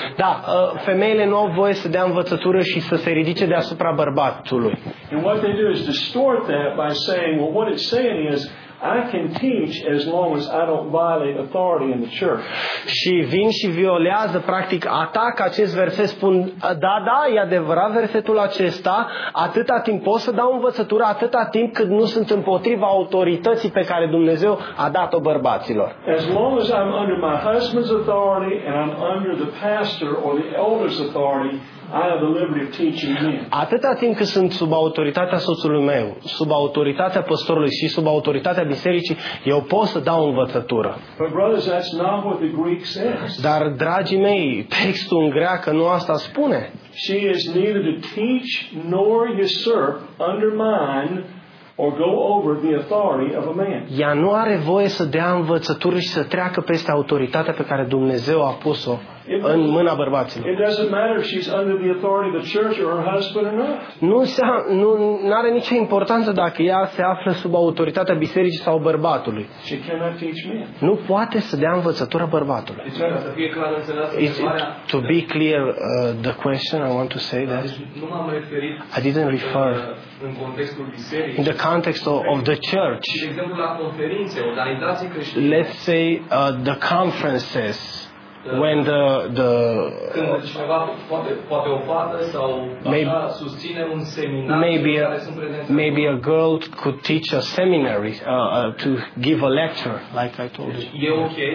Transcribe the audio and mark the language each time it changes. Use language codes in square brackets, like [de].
[ro] Da, femeile nu au voie să dea învățătură și să se ridice deasupra bărbatului. [en] And what they do is distort that by saying, well, what it's saying is, I can teach as long as I don't violate authority in the church. [ro] Și vin și violează practic atac acest verset, spun da, e adevărat versetul acesta, atâta timp pot să dau învățătura, atâta timp cât nu sunt împotriva autorității pe care Dumnezeu a dat-o bărbaților. [en] As long as I'm under my husband's authority and I'm under the pastor or the elder's authority, I have the liberty of teaching men. [ro] Atâta timp cât sunt sub autoritatea soțului meu, sub autoritatea păstorului și sub autoritatea bisericii, eu pot să dau învățătură. [en] But brothers, that's not what the Greek says. [ro] Dar, dragii mei, textul în greacă nu asta spune. [en] She is neither to teach nor usurp, undermine or go over the authority of a man. [ro] Ea nu are voie să dea învățătură și să treacă peste autoritatea pe care Dumnezeu a pus-o în mâna bărbaților. [en] It doesn't matter if she's under the authority of the church or her husband or not. [ro] Nu are nicio importanță dacă ea se află sub autoritatea bisericii sau bărbatului. [en] She cannot teach men. [ro] Nu poate să dea învățătură bărbatului. [en] To be clear, the question I want to say that I didn't refer in the context of the church. Let's say the conferences when the maybe a girl could teach a seminary to give a lecture, like I told you.